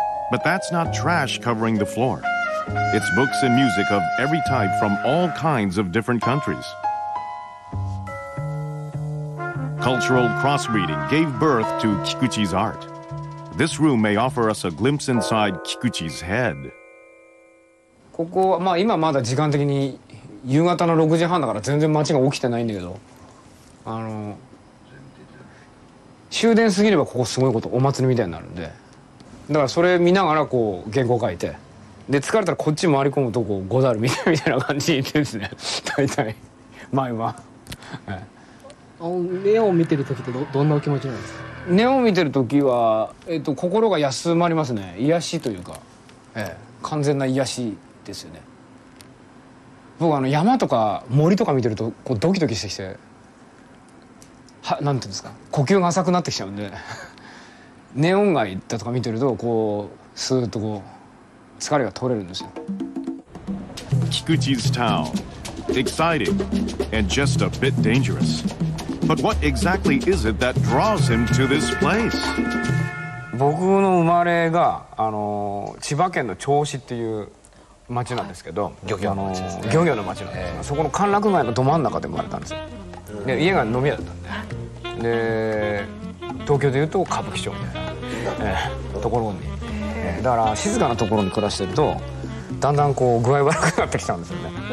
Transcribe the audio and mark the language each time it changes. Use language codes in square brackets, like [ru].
[en] But that's not trash covering the floor. It's books and music of every type from all kinds of different countries. Cultural crossbreeding gave birth to Kikuchi's art. This room may offer us a glimpse inside Kikuchi's head. [ja] ここはまあ今まだ時間的に夕方の6時半だから全然街が起きてないんだけど、あの終電過ぎればここすごいことお祭りみたいになるんで、だからそれ見ながらこう原稿書いて、で疲れたらこっち回り込むとこうゴダルみたいな感じですね大体前は目を見てる時って どんなお気持ちなんですか。目を見てる時は心が休まりますね。癒しというか、完全な癒しですよね。僕あの山とか森とか見てるとこうドキドキしてきて、はなんていうんですか、呼吸が浅くなってきちゃうんでネオン街だとか見てるとこうスーッとこう疲れが取れるんですよ。 [en] Kikuchi's town. Exciting and just a bit dangerous. But what exactly is it that draws him to this place? [ja] 僕の生まれが千葉県の銚子っていう町なんですけど、漁業の町なんです、そこの歓楽街のど真ん中で生まれたんですよ。で家が飲み屋だったんで、で東京でいうと歌舞伎町みたいな、ところに、だから静かなところに暮らしてるとだんだんこう具合悪くなってきたんですよね。